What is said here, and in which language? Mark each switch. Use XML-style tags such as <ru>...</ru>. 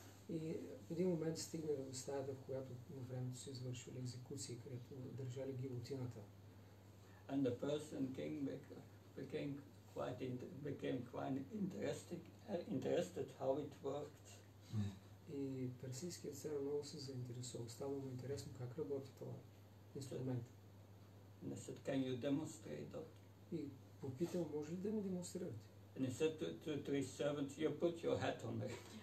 <bg>И в един момент стигнали до стаята, в която на времето се извършвали екзекуции, където държали гилотината.</bg> <en>And the Persian king became quite interested how it worked.</en> <bg>И персийският цар много се заинтересувал. Става му интересно как работи това инструмент.</bg> <en>And he said, can you demonstrate that?</en> <bg>Попитал, може ли да ми демонстрирате?</bg> <en>And he said to his servant, you put your hat on there.</en>